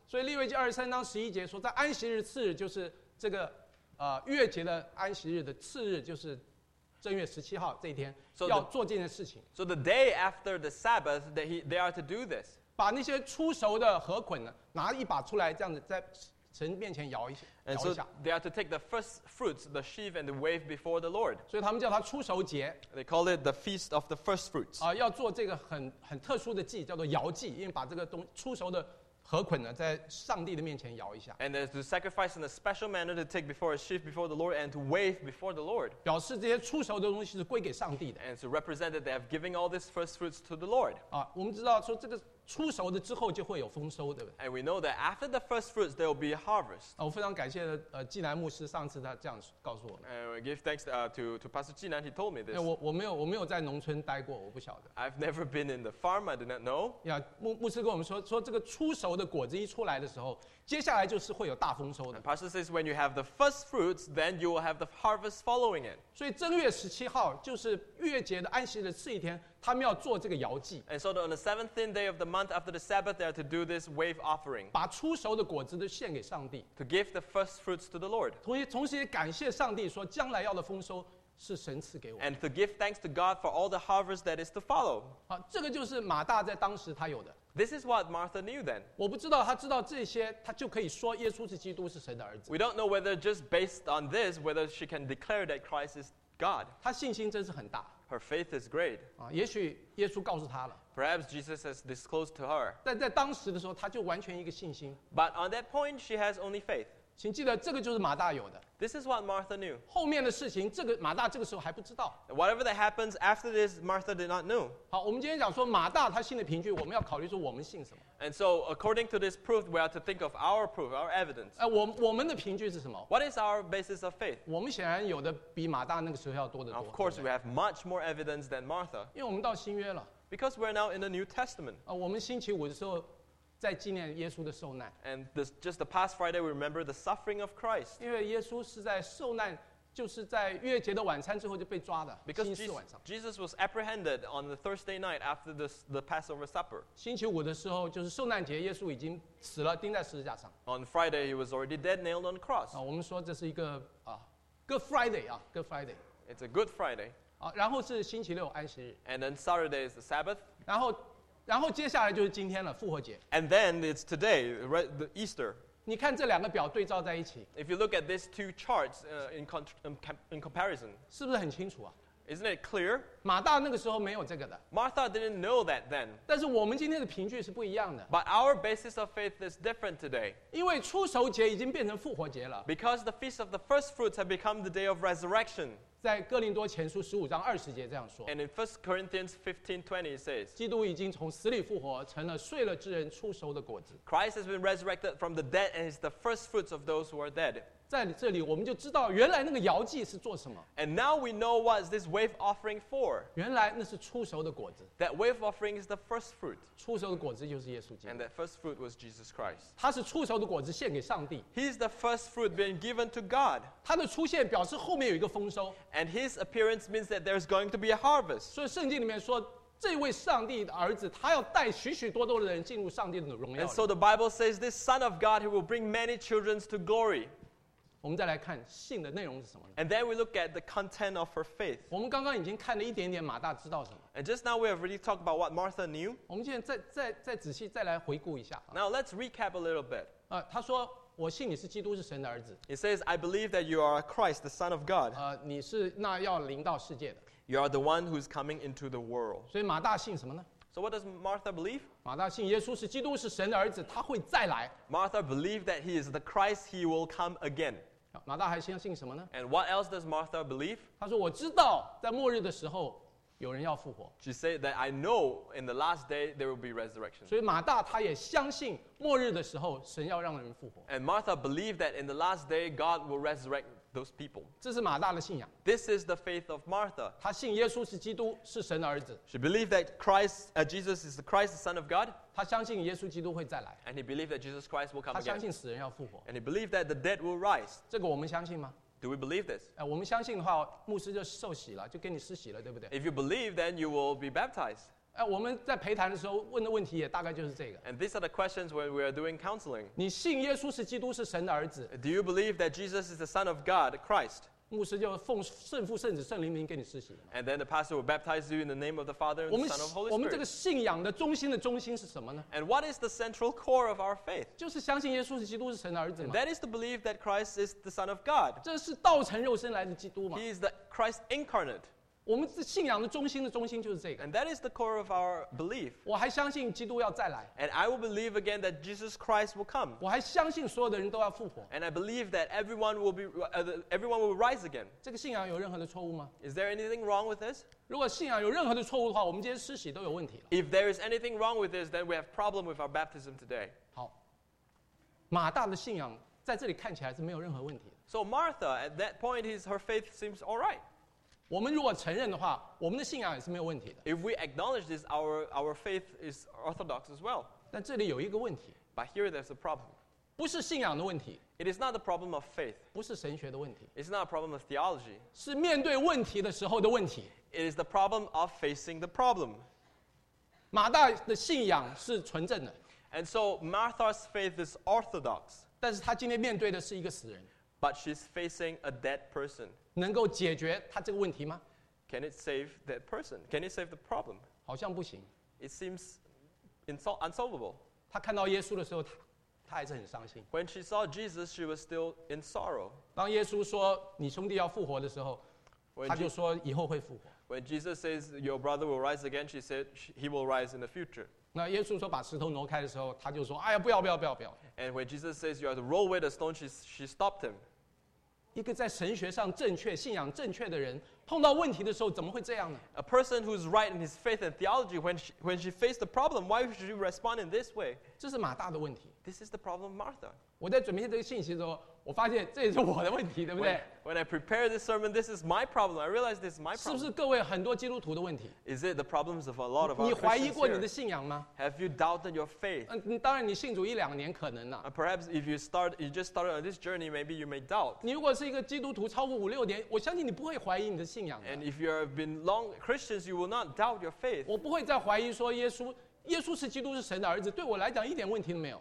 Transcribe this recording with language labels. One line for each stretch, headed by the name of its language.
Chinese: 所以利未记二十三章十一节说，在安息日次日，就是这个逾越节的安息日的次日，就是。正月十七号这一天要做这件事情。
English: So the day after the Sabbath, they are to do this.
Chinese: 把那些出熟的禾捆呢，拿一把出来，这样子在神面前摇一下。
English: And so they are to take the first fruits, the sheaf and the wave before the Lord.
Chinese: 所以他们叫它出熟节。
English: They call it the feast of the first fruits.
Chinese: 要做这个很特殊的祭，叫做摇祭，因为把这个东出熟的禾捆呢，在上帝的面前摇一下。
English: And to sacrifice in a special manner to take before a sheaf before the Lord and to wave before the Lord.
Chinese: 表示这些出熟的东西是归给上帝的。
English: And to represent that they have given all these first fruits to the Lord.
Chinese: 我们知道说这个出熟的之后就会有丰收，对不对？
English: And we know that after the first fruits there will be a harvest.
Chinese: 我非常感谢济南牧师上次他这样告诉我们。
English: And we give thanks to Pastor Jinan, he told me this.
Chinese: 我没有在农村待过，我不晓得。
English: I've never been in the farm, I did not know.
Chinese: 牧师跟我们说这个出熟的果子一出来的时候，接下来就是会有大丰收的。
English: And Pastor says when you have the first fruits, then you will have the harvest following it.
Chinese: 所以正月十七号就是逾越节的安息的次一天。他们要做这个摇祭。
English: And so on the 7th day of the month after the Sabbath, they are to do this wave offering.
Chinese: 把出熟的果子都献给上帝。
English: To give the first fruits to the Lord.
Chinese: 同时也感谢上帝说将来要的丰收是神赐给我。
English: And to give thanks to God for all the harvest that is to follow.
Chinese: 这个就是马大在当时他有的。
English: This is what Martha knew then.
Chinese: 我不知道他知道这些，他就可以说耶稣是基督，是神的儿子。
English: We don't know whether just based on this, whether she can declare that Christ is God.
Chinese: 他信心真是很大。
English: Her faith is great.
Chinese: 也许耶稣告诉他了。
English: Perhaps Jesus has disclosed to her.
Chinese: 但在当时的时候，他就完全一个信心。
English: But on that point, she has only faith.
Chinese: 请记得，这个就是马大有的。
English: This is what Martha knew.
Chinese: 后面的事情，这个马大这个时候还不知道。
English: Whatever that happens after this, Martha did not know.
Chinese: 好，我们今天讲说马大他信的凭据，我们要考虑说我们信什么。
English: And so, according to this proof, we have to think of our proof, our evidence.
Chinese: 我们的凭据是什么
English: ？What is our basis of faith?
Chinese: 我们显然有的比马大那个时候要多得多。
English: Of course, we have much more evidence than Martha.
Chinese: 因为我们到新约了。
English: Because we're now in the New Testament.
Chinese: 我们星期五的时候。在纪念耶稣的受难。
English: And this, just the past Friday, we remember the suffering of Christ.
Chinese: 因为耶稣是在受难，就是在逾越节的晚餐之后就被抓的。
English: Because
Chinese: 星期四晚上。
English: Jesus was apprehended on the Thursday night after the Passover supper.
Chinese: 星期五的时候就是受难节，耶稣已经死了，钉在十字架上。
English: On Friday, he was already dead, nailed on the cross.
Chinese: 我们说这是一个Good Friday 啊 ，Good Friday。
English: It's a Good Friday.
Chinese: 然后是星期六安息日。
English: And then Saturday is the Sabbath.
Chinese: 然后接下来就是今天了，复活节。
English: And then it's today, the Easter.
Chinese: 你看这两个表对照在一起。
English: If you look at these two charts, in comparison,
Chinese: 是不是很清楚啊
English: ？Isn't it clear?
Chinese: 马大那个时候没有这个的。
English: Martha didn't know that then.
Chinese: 但是我们今天的凭据是不一样的。
English: But our basis of faith is different today.
Chinese: 因为初熟节已经变成复活节了。
English: Because the feast of the first fruits have become the day of resurrection.
Chinese: 在哥林多前书十五章二十节这样说。
English: And in 1 Corinthians 15:20 says,
Chinese: 基督已经从死里复活，成了睡了之人初熟的果子。
English: Christ has been resurrected from the dead and is the first fruits of those who are dead.
Chinese: 在这里我们就知道原来那个摇祭是做什么。
English: And now we know what this wave offering for.
Chinese: 原来那是初熟的果子。
English: That wave offering is the first fruit.
Chinese: 初熟的果子就是耶稣基督。
English: And that first fruit was Jesus Christ.
Chinese: 他是初熟的果子献给上帝。
English: He is the first fruit being given to God.
Chinese: 他的出现表示后面有一个丰收。
English: And his appearance means that there's going to be a harvest.
Chinese: 所以圣经里面说，这位上帝的儿子，他要带许许多多的人进入上帝的荣耀。
English: And so the Bible says, this Son of God, he will bring many children to glory.
Chinese: 我们再来看信的内容是什么呢
English: ？And then we look at the content of her faith.
Chinese: 我们刚刚已经看了一点点马大知道什么。
English: And just now we have already talked about what Martha knew.
Chinese: 我们现在再仔细再来回顾一下。
English: Now let's recap a little bit.
Chinese: 他说。我信你是基督，是神的儿子。
English: It says, "I believe that you are Christ, the Son of God."
Chinese: 你是那要临到世界的。
English: You are the one who is coming into the world.
Chinese: 所以马大信什么呢
English: ？So what does Martha believe?
Chinese: 马大信耶稣是基督，是神的儿子，他会再来。
English: Martha believed that he is the Christ, he will come again.
Chinese: 马大还相信什么呢
English: ？And what else does Martha believe?
Chinese: 他说我知道在末日的时候有人要复活。
English: She said that I know in the last day there will be resurrection.
Chinese: 所以马大他也相信。末日的时候，神要让人复活。
English: And Martha believed that in the last day, God will resurrect those people.
Chinese: 这是马大的信仰。
English: This is the faith of Martha.
Chinese: 她信耶稣是基督，是神的儿子。
English: She believed that Jesus is the Christ, the Son of God.
Chinese: 她相信耶稣基督会再来。
English: And he believed that Jesus Christ will come again.
Chinese: 她相信死人要复活。
English: And he believed that the dead will rise.
Chinese: 这个我们相信吗？
English: Do we believe this?
Chinese: 我们相信的话，牧师就受洗了，就给你施洗了，对不对
English: ？If you believe, then you will be baptized.
Chinese: 我们在陪谈的时候问的问题也大概就是这个。
English: And these are the questions when we are doing counseling.
Chinese: 你信耶稣是基督，是神的儿子
English: ？Do you believe that Jesus is the Son of God, Christ?
Chinese: 牧师就奉圣父、圣子、圣灵名给你施洗。
English: And then the pastor will baptize you in the name of the Father and the Son of Holy Spirit.
Chinese: 我们这个信仰的中心的中心是什么呢
English: ？And what is the central core of our faith?
Chinese: 就是相信耶稣是基督，是神的儿子嘛。
English: That is to believe that Christ is the Son of God.
Chinese: 这是道成肉身来的基督嘛
English: ？He is the Christ incarnate.
Chinese: 我们信仰的中心的中心就是这个。
English: And that is the core of our belief.
Chinese: 我还相信基督要再来。
English: And I will believe again that Jesus Christ will come.
Chinese: 我还相信所有的人都要复活。
English: And I believe that everyone will rise again.
Chinese: 这个信仰有任何的错误吗
English: ？Is there anything wrong with this?
Chinese: 如果信仰有任何的错误的话，我们今天施洗都有问题了。
English: If there is anything wrong with this, then we have problem with our baptism today.
Chinese: 好，马大的信仰在这里看起来是没有任何问题的。
English: So Martha, at that point, her faith seems all right.
Chinese: 我们如果承认的话，我们的信仰也是没有问题的。
English: If we acknowledge this, our faith is orthodox as well.
Chinese: 但这里有一个问题。
English: But here there's a problem.
Chinese: 不是信仰的问题。
English: It is not the problem of faith.
Chinese: 不是神学的问题。
English: It's not a problem of theology.
Chinese: 是面对问题的时候的问题。
English: It is the problem of facing the problem.
Chinese: 马大的信仰是纯正的。
English: And so Martha's faith is orthodox.
Chinese: 但是她今天面对的是一个死人。
English: But she's facing a dead person.
Chinese: 能够解决他这个问题吗
English: ？Can it save that person? Can it save the problem?
Chinese: 好像不行。
English: It seems unsolvable.
Chinese: 他看到耶稣的时候，他还是很伤心。
English: When she saw Jesus, she was still in sorrow.
Chinese: 当耶稣说你兄弟要复活的时候，他就说以后会复活。
English: When Jesus says your brother will rise again, she said he will rise in the future.
Chinese: 那耶稣说把石头挪开的时候，他就说：“哎呀，不要，不要，不要，不要。
English: ”And when Jesus says you have to roll away the stone, she stopped him.
Chinese: 一个在神学上正确、信仰正确的人，碰到问题的时候，怎么会这样呢
English: ？A person who's right in his faith and theology, when she faced the problem, why should you respond in this way?
Chinese: 这是马大的问题。
English: This is the problem of Martha.
Chinese: 我在准备这个信息的时候，我发现这也是我的问题，对不对
English: ？When I prepare this sermon, this is my problem. I realize this is my problem.
Chinese: 是不是各位很多基督徒的问题
English: ？Is it the problems of a lot of our Christians here?
Chinese: 你怀疑过你的信仰吗
English: ？Have you doubted your faith?
Chinese: 当然你信主一两年可能呢。
English: Perhaps if you just started on this journey, maybe you may doubt.
Chinese: 你如果是一个基督徒超过五六年，我相信你不会怀疑你的信仰的。
English: And if you have been long Christians, you will not doubt your faith.
Chinese: 我不会再怀疑说耶稣是基督，是神的儿子，对我来讲一点问题都没有。